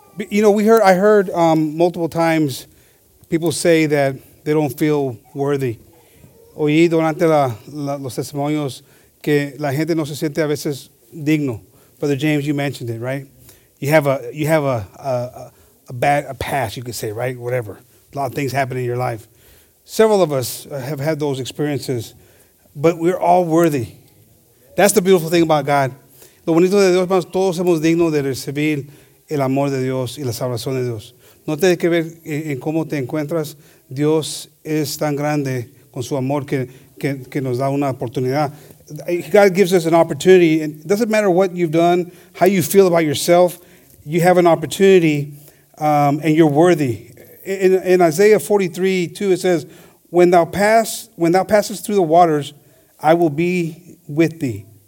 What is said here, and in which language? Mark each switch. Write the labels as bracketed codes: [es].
[en] You know, I heard multiple times people say that they don't feel worthy. [es] Oí durante los testimonios que la gente no se siente a veces digno. [en] Brother James, you mentioned it, right? You have a bad past, you could say, right? Whatever. A lot of things happen in your life. Several of us have had those experiences, but we're all worthy. That's the beautiful thing about God. [es] Lo bonito de Dios, hermanos, todos somos dignos de recibir el amor de Dios y la salvación de Dios. No tiene que ver en cómo te encuentras. Dios es tan grande con su amor que nos da una oportunidad. [en] God gives us an opportunity. And it doesn't matter what you've done, how you feel about yourself, you have an opportunity and you're worthy. In Isaiah 43:2, it says, When thou passest through the waters, I will be with thee.